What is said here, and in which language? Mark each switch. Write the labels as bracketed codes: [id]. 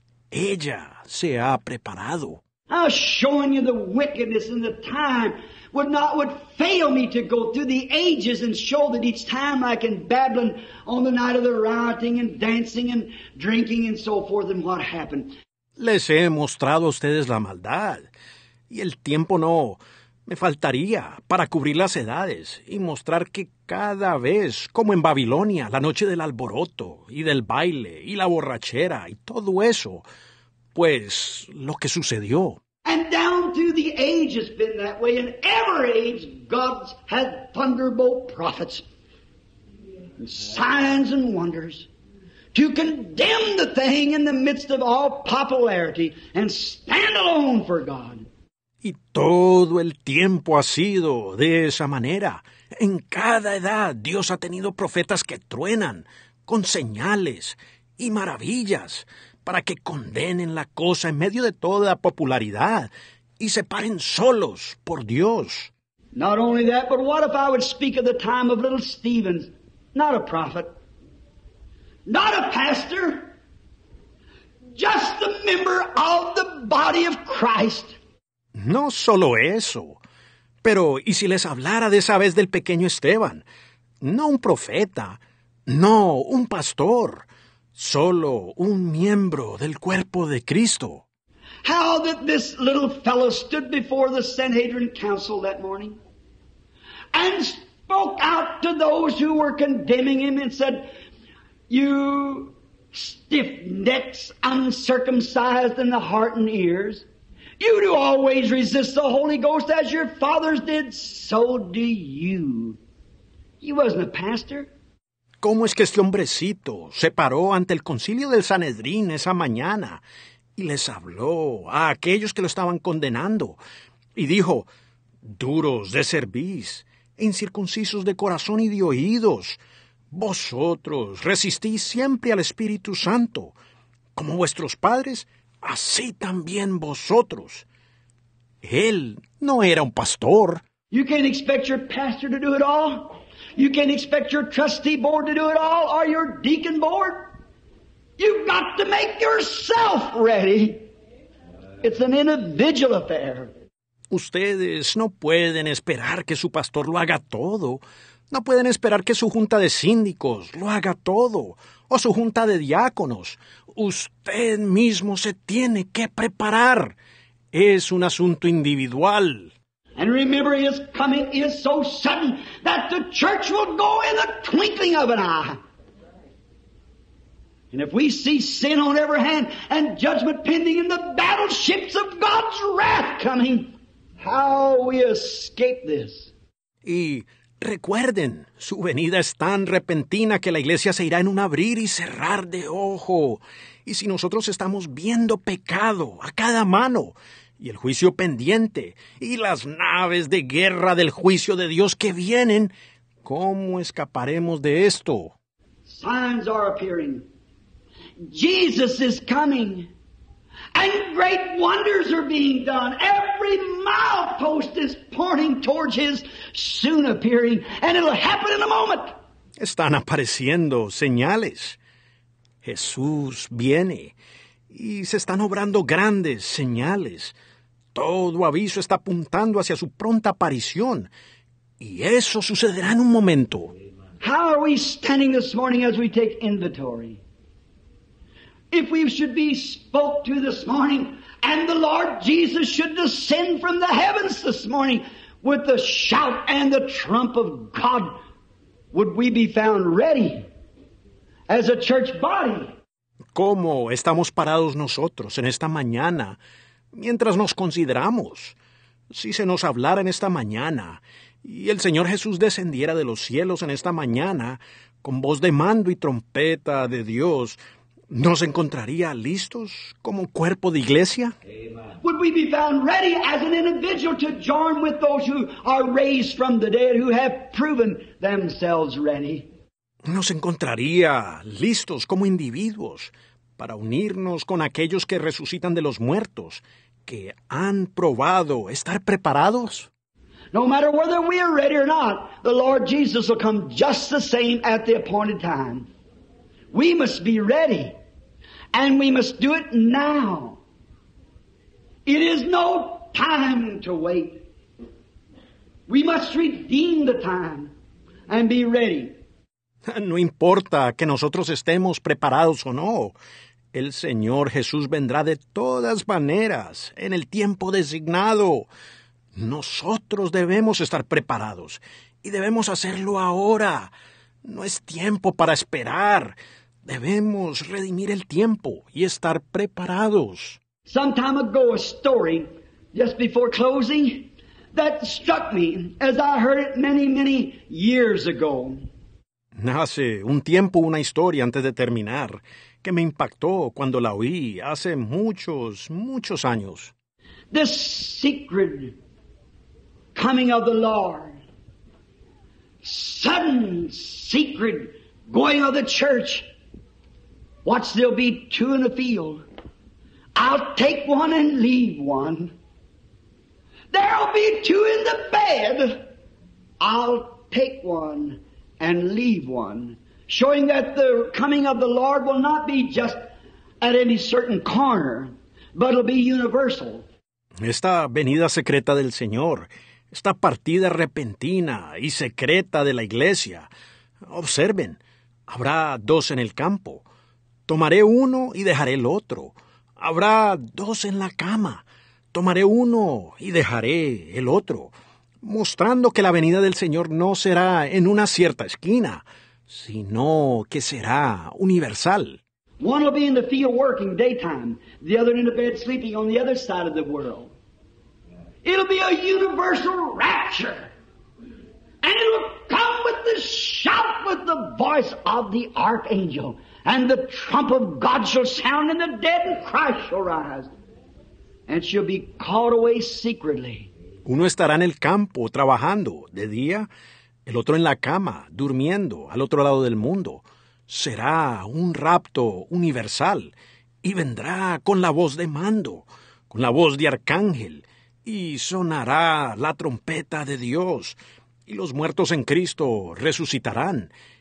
[es] Ella se ha preparado. [en] I was showing you the wickedness and the time would fail me to go through the ages and show that each time like in Babylon on the night of the rioting and dancing and drinking and so forth and what happened. [es] Les he mostrado a ustedes la maldad. Y el tiempo no me faltaría para cubrir las edades y mostrar que cada vez, como en Babilonia, la noche del alboroto y del baile y la borrachera y todo eso, pues lo que sucedió. [en] And down through the age has been that way. In every age, God's had thunderbolt prophets, signs and wonders, to condemn the thing in the midst of all popularity and stand alone for God. [es] Y todo el tiempo ha sido de esa manera. En cada edad, Dios ha tenido profetas que truenan con señales y maravillas para que condenen la cosa en medio de toda popularidad y se paren solos por Dios. [en] Not only that, but what if I would speak of the time of little Stephen, not a prophet, not a pastor, just a member of the body of Christ. [es] No solo eso, pero ¿y si les hablara de esa vez del pequeño Esteban? No un profeta, no un pastor, solo un miembro del cuerpo de Cristo. [en] How that this little fellow stood before the Sanhedrin council that morning and spoke out to those who were condemning him and said, "You stiff necks, uncircumcised in the heart and ears, you do always resist the Holy Ghost as your fathers did, so do you." He wasn't a pastor. [es] ¿Cómo es que este hombrecito se paró ante el concilio del Sanedrín esa mañana y les habló a aquellos que lo estaban condenando y dijo, "Duros de cerviz, incircuncisos de corazón y de oídos, vosotros resistís siempre al Espíritu Santo, como vuestros padres, así también vosotros"? Él no era un pastor. [en] You can't expect your pastor to do it all. You can't expect your trustee board to do it all, or your deacon board. You've got to make yourself ready. It's an individual affair. [es] Ustedes no pueden esperar que su pastor lo haga todo. No pueden esperar que su junta de síndicos lo haga todo, o su junta de diáconos. Usted mismo se tiene que preparar. Es un asunto individual. [en] And remember, his coming is so sudden that the church will go in the twinkling of an eye. And if we see sin on every hand and judgment pending in the battleships of God's wrath coming, how we escape this. [es] Y recuerden, su venida es tan repentina que la iglesia se irá en un abrir y cerrar de ojo. Y si nosotros estamos viendo pecado a cada mano, y el juicio pendiente, y las naves de guerra del juicio de Dios que vienen, ¿cómo escaparemos de esto? [en] Signs are appearing. Jesus is coming. And great wonders are being done. Every milepost is pointing towards his soon appearing. And it'll happen in a moment. [es] Están apareciendo señales. Jesús viene. Y se están obrando grandes señales. Todo aviso está apuntando hacia su pronta aparición. Y eso sucederá en un momento. [en] How are we standing this morning as we take inventory? If we should be spoke to this morning, and the Lord Jesus should descend from the heavens this morning with the shout and the trump of God, would we be found ready as a church body? [es] ¿Cómo estamos parados nosotros en esta mañana mientras nos consideramos? Si se nos hablara en esta mañana y el Señor Jesús descendiera de los cielos en esta mañana con voz de mando y trompeta de Dios, ¿nos encontraría listos como cuerpo de iglesia? [en] Amen. Would we be found ready as an individual to join with those who are raised from the dead, who have proven themselves ready? [es] ¿Nos encontraría listos como individuos para unirnos con aquellos que resucitan de los muertos, que han probado estar preparados? [en] No matter whether we are ready or not, the Lord Jesus will come just the same at the appointed time. We must be ready, and we must do it now. It is no time to wait. We must redeem the time and be ready. [es] No importa que nosotros estemos preparados o no, el Señor Jesús vendrá de todas maneras en el tiempo designado. Nosotros debemos estar preparados, y debemos hacerlo ahora. No es tiempo para esperar. Debemos redimir el tiempo y estar preparados. [en] Some time ago, a story, just before closing, that struck me as I heard it many, many years ago. [es] Hace un tiempo una historia antes de terminar que me impactó cuando la oí hace muchos, muchos años. [en] The secret coming of the Lord. Sudden secret going of the church. Watch, there'll be two in the field. I'll take one and leave one. There'll be two in the bed. I'll take one and leave one, showing that the coming of the Lord will not be just at any certain corner, but it'll be universal. [es] Esta venida secreta del Señor, esta partida repentina y secreta de la iglesia, observen, habrá dos en el campo. Tomaré uno y dejaré el otro. Habrá dos en la cama. Tomaré uno y dejaré el otro. Mostrando que la venida del Señor no será en una cierta esquina, sino que será universal. [en] One will be in the field working daytime, the other in the bed sleeping on the other side of the world. It'll be a universal rapture. And it'll come with the shout, with the voice of the archangel. And the trump of God shall sound, and the dead in Christ shall rise. And shall be caught away secretly. [es] Uno estará en el campo, trabajando, de día. El otro en la cama, durmiendo, al otro lado del mundo. Será un rapto universal. Y vendrá con la voz de mando, con la voz de arcángel. Y sonará la trompeta de Dios. Y los muertos en Cristo resucitarán.